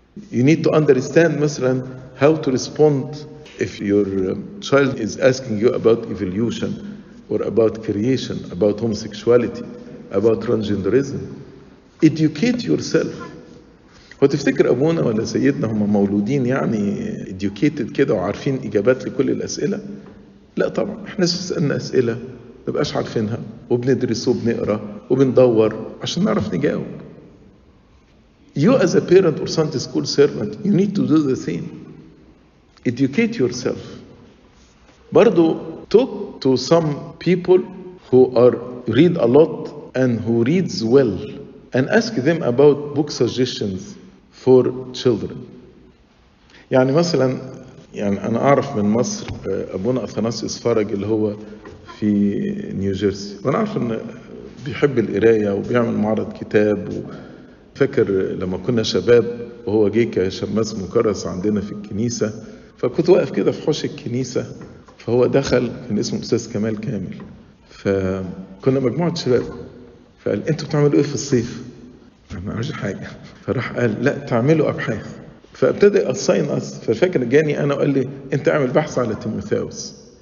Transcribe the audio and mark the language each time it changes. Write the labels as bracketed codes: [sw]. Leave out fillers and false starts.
[en] You need to understand, مثلا, how to respond if your child is asking you about evolution or about creation, about homosexuality, about transgenderism. Educate yourself. [ar] وتفتكر أبونا ولا سيدنا هم مولودين يعني educated كده وعارفين إجابات لكل الأسئلة؟ لا طبعا, احنا سألنا أسئلة نبقاش عارفينها وبندرس وبنقرأ وبندور عشان نعرف نجاوب. [en] You as a parent or Sunday school servant, you need to do the same. Educate yourself. برضو, talk to some people who read a lot and who reads well and ask them about book suggestions for children. [ar] يعني مثلا, يعني أنا أعرف من مصر أبونا أثناسيوس فرج اللي هو في نيوجيرسي. وأنا أعرف أنه بيحب القراية وبيعمل معرض كتاب فاكر لما كنا شباب وهو جه كشماس مكرس عندنا في الكنيسة فكنت واقف كده في حوش الكنيسة فهو دخل كان اسمه أستاذ كمال كامل فكنا مجموعة شباب فقال أنتوا بتعملوا إيه في الصيف؟ ما عملش حاجة فراح قال لا تعملوا أبحاث فابتدى أصين أص فالفاكر جاني أنا وقال لي أنت أعمل بحث على تيموثاوس